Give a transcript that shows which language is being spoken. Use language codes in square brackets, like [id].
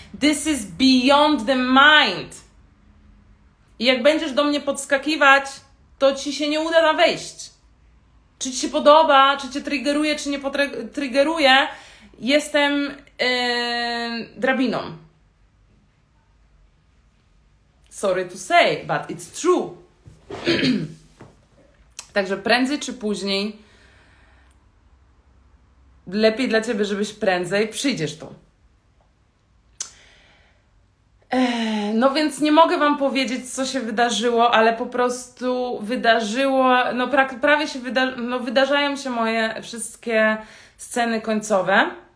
[en] This is beyond the mind. [pl] I jak będziesz do mnie podskakiwać, to ci się nie uda na wejść. Czy ci się podoba, czy cię triggeruje, czy nie triggeruje, jestem drabiną. [en] Sorry to say, but it's true. [pl] Także prędzej czy później, lepiej dla ciebie, żebyś prędzej przyjdziesz tu. No więc nie mogę wam powiedzieć, co się wydarzyło, ale po prostu wydarzyło, no prawie się wydarzyło, no wydarzają się moje wszystkie sceny końcowe.